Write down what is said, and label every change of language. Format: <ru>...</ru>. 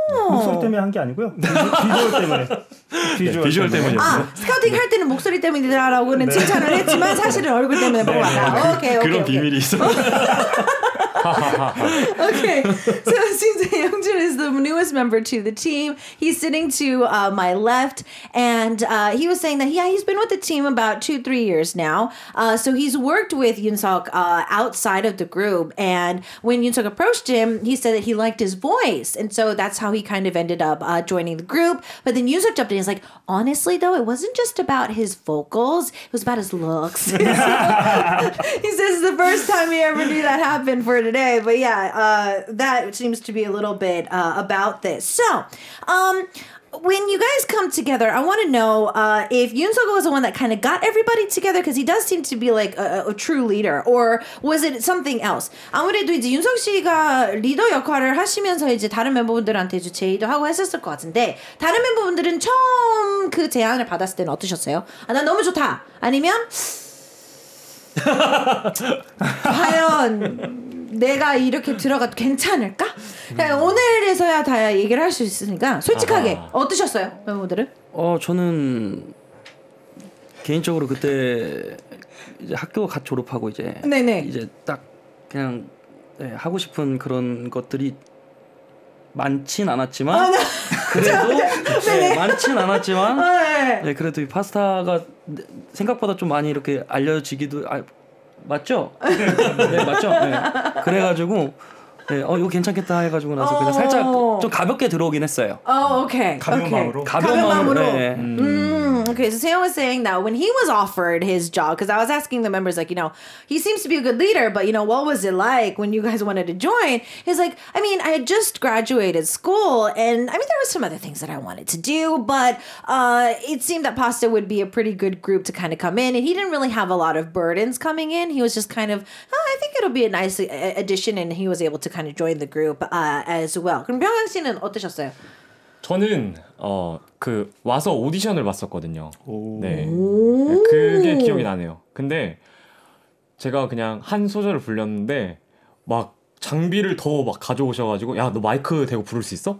<ko>목소리 때문에 한 게 아니고요. 비주얼 때문에. 비주얼 때문에. 스카우팅 할 때는 목소리 때문이라고는 칭찬을 했지만 사실은 얼굴 때문에 뽑았다. 네. 오케이. 그런 비밀이 있어.</ko> <en>Okay, so Seungjin is the newest member to the team. He's sitting to my left, and he was saying that he's been with the team about 2-3 years now. So he's worked with Yoon-suk outside of the group, and when Yoon-suk approached him, he said that he liked his voice, and so that's how he kind of ended up joining the group. But then Yoon-suk jumped in. He's like, honestly though, it wasn't just about his vocals, it was about his looks. He says it's the first time he ever knew that happened for today. But yeah, that seems to be a little bit about this. So when you guys come together, I want to know if Yoon-suk was the one that kind of got everybody together, because he does seem to be like a true leader, or was it something else?</en> <ko>아무래도 이제 윤석 씨가 리더 역할을 하시면서 이제 다른 멤버분들한테 이제 제의도 하고 했었을 것 같은데, 다른 멤버분들은 처음 그 제안을 받았을 때는 어떠셨어요? 아, 난 너무 좋다. 아니면 과연 내가 이렇게 들어가도 괜찮을까? 오늘에서야 다 얘기를 할 수 있으니까 솔직하게 아하. 어떠셨어요? 멤버들은? 저는 개인적으로 그때 이제 학교 갓 졸업하고 이제 네네. 이제 딱 그냥 네, 하고 싶은 그런 것들이 많진 않았지만 그래도 네, 많진 않았지만 네, 그래도 이 파스타가 생각보다 좀 많이 이렇게 알려지기도 맞죠? 네, 맞죠? 네. 그래가지고 네, 이거 괜찮겠다 해가지고 나서 그냥 살짝 좀 가볍게 들어오긴 했어요. 오케이. 가벼운 오케이. 마음으로? 가벼운 마음으로. 네.</ko> <en>Okay, so Seung was saying that when he was offered his job, because I was asking the members, like, you know, he seems to be a good leader, but, you know, what was it like when you guys wanted to join? He's like, I mean, I had just graduated school, and, I mean, there were some other things that I wanted to do, but it seemed that PASTA would be a pretty good group to kind of come in, and he didn't really have a lot of burdens coming in. He was just kind of, oh, I think it'll be a nice addition, and he was able to kind of join the group as well.</en> <ko>그럼 병영 씨는 어떠셨어요? 저는 그 와서 오디션을 봤었거든요. 오. 네. 그게 기억이 나네요. 근데 제가 그냥 한 소절을 불렀는데 막 장비를 더 막 가져오셔가지고 야 너 마이크 대고 부를 수 있어?</ko>